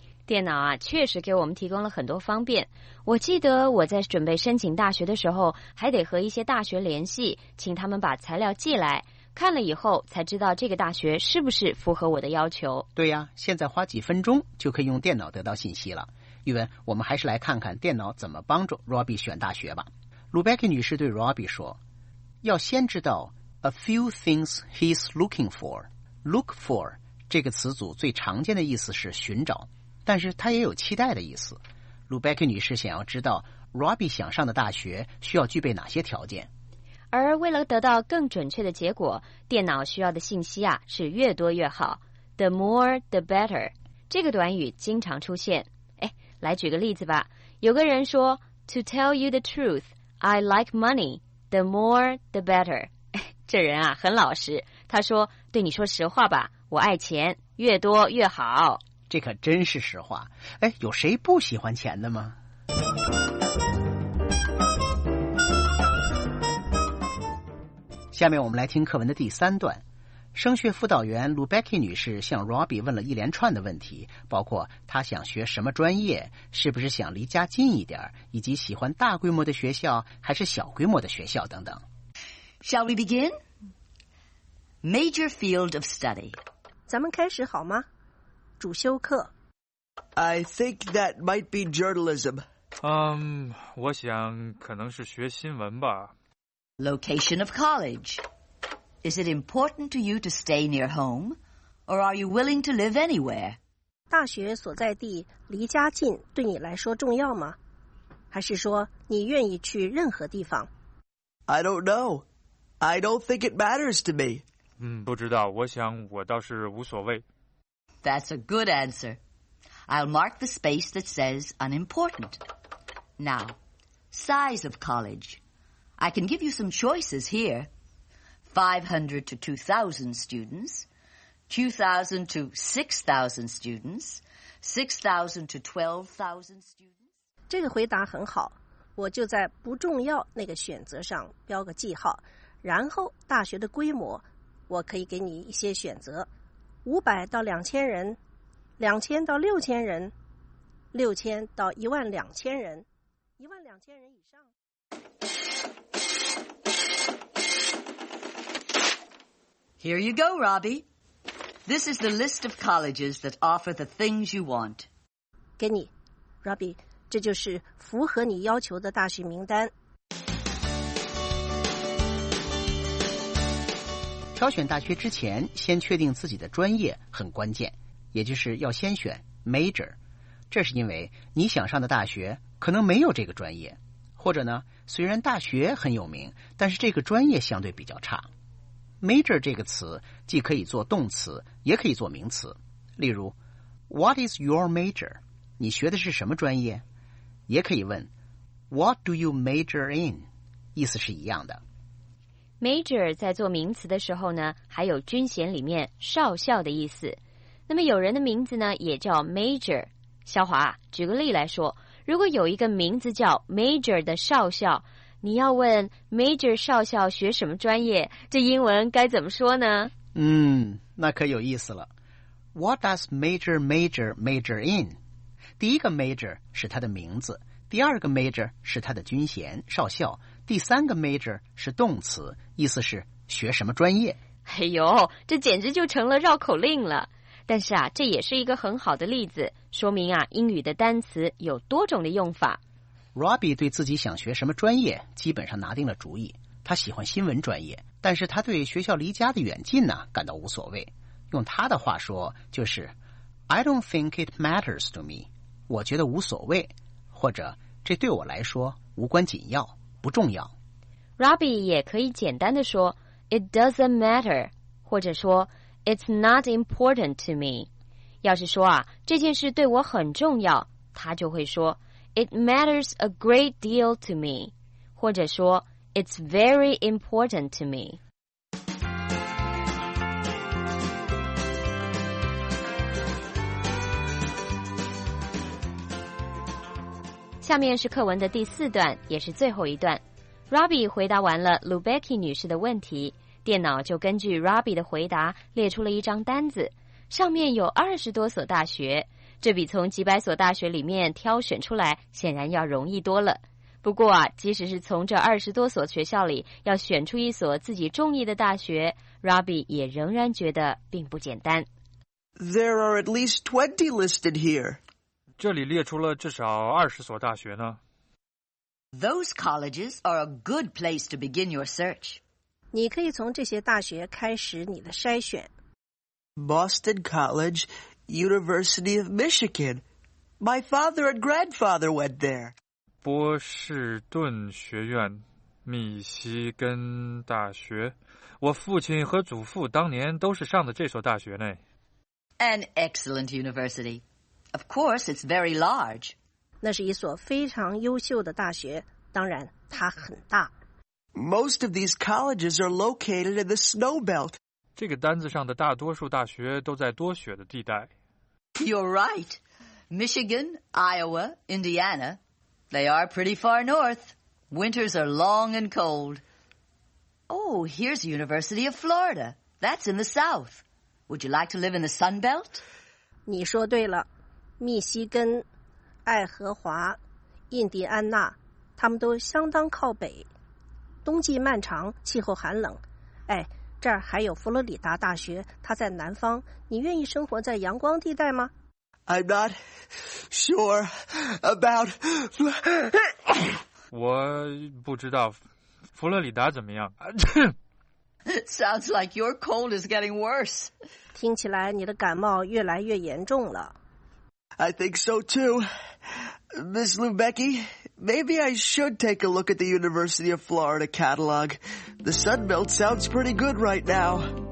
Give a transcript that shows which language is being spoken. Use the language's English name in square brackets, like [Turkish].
[Chinese] 电脑啊，确实给我们提供了很多方便。我记得我在准备申请大学的时候，还得和一些大学联系，请他们把材料寄来，看了以后才知道这个大学是不是符合我的要求。对呀，现在花几分钟就可以用电脑得到信息了。玉文，我们还是来看看电脑怎么帮助 Robbie 选大学吧。 Lubecki 女士对 Robbie 说，要先知道 [English] a few things he's looking for。 [Chinese] look for 这个词组最常见的意思是寻找，但是他也有期待的意思。 Lubecki 女士想要知道 Robbie 想上的大学需要具备哪些条件。而为了得到更准确的结果，电脑需要的信息啊是越多越好。 [English] the more the better [Chinese] 这个短语经常出现。来举个例子吧，有个人说 [English] To tell you the truth, I like money, the more the better。 [Chinese] 这人啊很老实，他说对你说实话吧，我爱钱，越多越好。这可真是实话。哎，有谁不喜欢钱的吗？下面我们来听课文的第三段。升学辅导员 Lubecki 女士向 Robbie 问了一连串的问题，包括她想学什么专业，是不是想离家近一点，以及喜欢大规模的学校还是小规模的学校等等。 [English] Shall we begin? Major field of study. [Chinese] 咱们开始好吗？主修课。 [English] I think that might be journalism. [Chinese] 我想可能是学新闻吧。 [English] Location of college. Is it important to you to stay near home, or are you willing to live anywhere? [Chinese] 大学所在地离家近对你来说重要吗？还是说你愿意去任何地方？ [English] I don't know. I don't think it matters to me. [Chinese] 不知道，我想我倒是无所谓。 [English] That's a good answer. I'll mark the space that says unimportant. Now, size of college. I can give you some choices here. 500 to 2,000 students, 2,000 to 6,000 students, 6,000 to 12,000 students. [Chinese] 这个回答很好，我就在不重要那个选择上标个记号，然后大学的规模，我可以给你一些选择，500到2000人，2000到6000人，6000到12000人，12000人以上。 [English] Here you go, Robbie. This is the list of colleges that offer the things you want. [Chinese] 给你 ，Robbie， 这就是符合你要求的大学名单。挑选大学之前，先确定自己的专业很关键，也就是要先选 major。这是因为你想上的大学可能没有这个专业，或者呢，虽然大学很有名，但是这个专业相对比较差。 Major 这个词既可以做动词也可以做名词，例如 [English] What is your major? [Chinese] 你学的是什么专业？也可以问 [English] What do you major in? [Chinese] 意思是一样的。 Major 在做名词的时候呢，还有军衔里面少校的意思。那么有人的名字呢也叫 Major。肖华，举个例来说，如果有一个名字叫 Major 的少校，你要问 Major 少校学什么专业，这英文该怎么说呢？那可有意思了。 [English] What does Major Major Major in? [Chinese] 第一个 Major 是他的名字，第二个 Major 是他的军衔少校，第三个 Major 是动词，意思是学什么专业。哎呦，这简直就成了绕口令了。但是啊，这也是一个很好的例子，说明啊，英语的单词有多种的用法。 Robbie 对自己想学什么专业基本上拿定了主意，他喜欢新闻专业，但是他对学校离家的远近呢感到无所谓。用他的话说，就是 [English] I don't think it matters to me. [Chinese] 我觉得无所谓，或者这对我来说无关紧要，不重要。 [English] Robbie [Chinese] 也可以简单地说 [English] It doesn't matter， [Chinese] 或者说 [English] It's not important to me。 [Chinese] 要是说啊，这件事对我很重要，他就会说 [English] It matters a great deal to me， [Chinese] 或者说 [English] It's very important to me。 [Chinese] 下面是课文的第四段，也是最后一段。Robbie 回答完了 Lubecki 女士的问题，电脑就根据 Robbie 的回答列出了一张单子，上面有20多所大学，这比从几百所大学里面挑选出来显然要容易多了。不过啊，即使是从这20多所学校里要选出一所自己中意的大学， Robbie 也仍然觉得并不简单。 [English] There are at least 20 listed here. [Chinese] 这里列出了至少20所大学呢。 [English] Those colleges are a good place to begin your search. [Chinese] 你可以从这些大学开始你的筛选。 [English] Boston College, University of Michigan. My father and grandfather went there. [Chinese] 波士顿学院，密西根大学。我父亲和祖父当年都是上的这所大学呢。 [English] An excellent university. Of course, it's very large. [Chinese] 那是一所非常优秀的大学，当然它很大。 [English] Most of these colleges are located in the snow belt. [Chinese] 这个单子上的大多数大学都在多雪的地带。 [English] You're right. Michigan, Iowa, Indiana, they are pretty far north. Winters are long and cold. Oh, here's University of Florida. That's in the south. Would you like to live in the sun belt? [Chinese] 你说对了。密西根、爱荷华、印第安纳，他们都相当靠北。冬季漫长，气候寒冷。哎，这儿还有佛罗里达大学，它在南方。你愿意生活在阳光地带吗 [English] ？I'm not sure about 。 [Chinese] 我不知道佛罗里达怎么样。 [English] Sounds like your cold is getting worse。 [Chinese] 听起来你的感冒越来越严重了。 [English] I think so too. Miss Lubecki, maybe I should take a look at the University of Florida catalog. The Sun Belt sounds pretty good right now.